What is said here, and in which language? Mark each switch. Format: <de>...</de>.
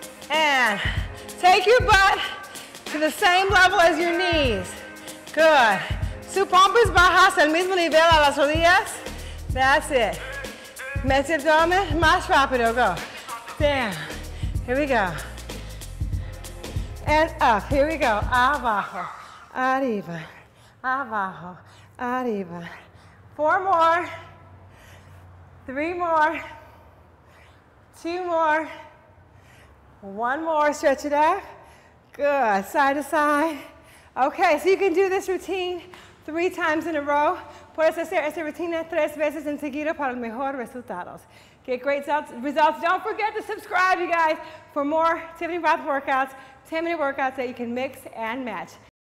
<en>And take your butt to the same level as your knees. Good.</en> <es>Su pompis bajas al mismo nivel a las rodillas.</es> <en>That's it. Mete abdomen más rápido. Go. Damn. Here we go. And up, here we go. Abajo, arriba, abajo, arriba. Four more, three more, two more, one more, stretch it out. Good, side to side. Okay, so you can do this routine three times in a row.</en> <es>Puedes hacer esta rutina tres veces en seguido para mejores resultados.</es> <en>Get great results. Don't forget to subscribe, you guys, for more Tiffany Rothe workouts, 10-minute workouts that you can mix and match.</en>